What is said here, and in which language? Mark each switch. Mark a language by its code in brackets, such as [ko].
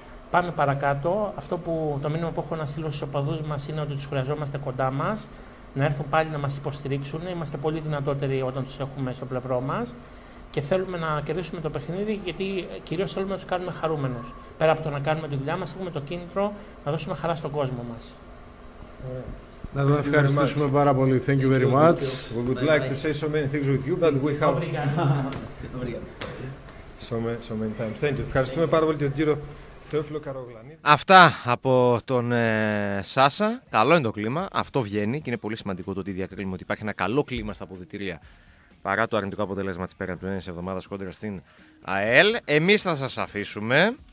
[el] Πάμε παρακάτω. Αυτό που το μήνυμα που έχω να στείλω στους οπαδούς μας είναι ότι τους χρειαζόμαστε κοντά μας, να έρθουν πάλι να μας υποστηρίξουν. Είμαστε πολύ δυνατότεροι όταν τους έχουμε στο πλευρό μας. Και θέλουμε να κερδίσουμε το παιχνίδι, γιατί κυρίως θέλουμε να τους κάνουμε χαρούμενους. Πέρα από το να κάνουμε τη δουλειά μας, έχουμε το κίνητρο να δώσουμε χαρά στον κόσμο μας. Να τον ευχαριστήσουμε πάρα πολύ. [en] Thank you very much. We would like to say so many things with you, but we have... So many times. Thank you. [el] Ευχαριστούμε πάρα πολύ τον κύριο Θεόφιλο Καρογλανίδη. Αυτά από τον Σάσα. Καλό είναι το κλίμα. Αυτό βγαίνει και είναι πολύ σημαντικό το ότι διακρίνουμε ότι υπάρχει ένα καλό κλίμα στα αποδυτήρια. Παρά το αρνητικό αποτέλεσμα της περασμένης εβδομάδας κόντρα στην ΑΕΛ, εμείς θα σας αφήσουμε.